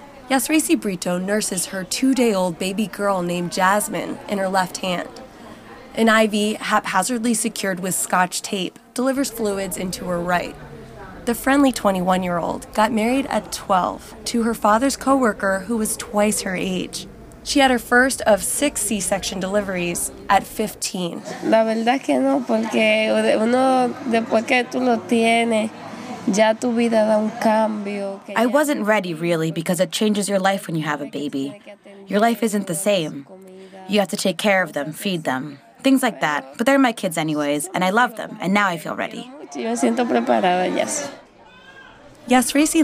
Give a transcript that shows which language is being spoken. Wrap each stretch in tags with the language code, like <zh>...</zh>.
<en>Yasreci Brito nurses her two-day-old baby girl named Jasmine in her left hand. An IV, haphazardly secured with scotch tape, delivers fluids into her right. The friendly 21-year-old got married at 12 to her father's coworker, who was twice her age. She had her first of six C-section deliveries at 15.</en> <es>La verdad que no, porque uno después que tú lo tienes.</es> <en>I wasn't ready, really, because it changes your life when you have a baby. Your life isn't the same. You have to take care of them, feed them, things like that. But they're my kids anyways, and I love them, and now I feel ready. Yasreci</en>